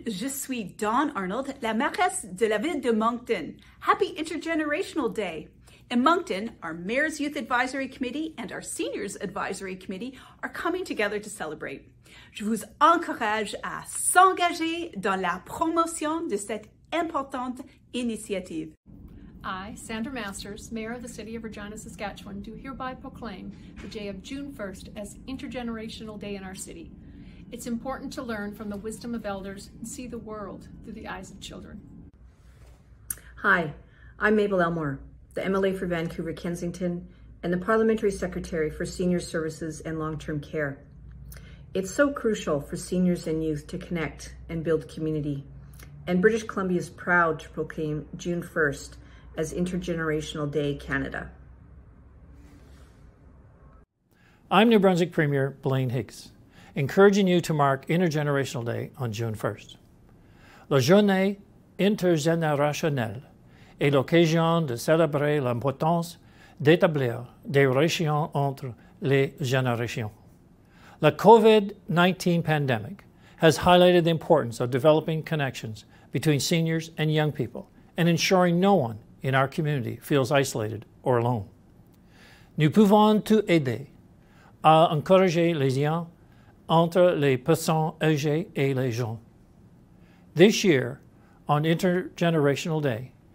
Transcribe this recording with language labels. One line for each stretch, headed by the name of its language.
French: Je suis Dawn Arnold, la mairesse de la ville de Moncton.
English: Happy Intergenerational Day. In Moncton, our Mayor's Youth Advisory Committee and our Seniors Advisory Committee are coming together to celebrate.
French: Je vous encourage à s'engager dans la promotion de cette importante initiative.
English: I, Sandra Masters, Mayor of the City of Regina, Saskatchewan, do hereby proclaim the day of June 1st as Intergenerational Day in our city. It's important to learn from the wisdom of elders and see the world through the eyes of children. Hi, I'm Mabel Elmore, the MLA for Vancouver Kensington, and the Parliamentary Secretary for Senior Services and Long-Term Care. It's so crucial for seniors and youth to connect and build community, and British Columbia is proud to proclaim June 1st as Intergenerational Day Canada. I'm New Brunswick Premier Blaine Higgs, encouraging you to mark Intergenerational Day on June 1st.
French: La Journée Intergenerationnelle et l'occasion de célébrer l'importance d'établir des relations entre les générations.
English: The COVID-19 pandemic has highlighted the importance of developing connections between seniors and young people and ensuring no one in our community feels isolated or alone.
French: Nous pouvons tout aider à encourager les liens entre les personnes âgées et les jeunes.
English: This year, on Intergenerational Day,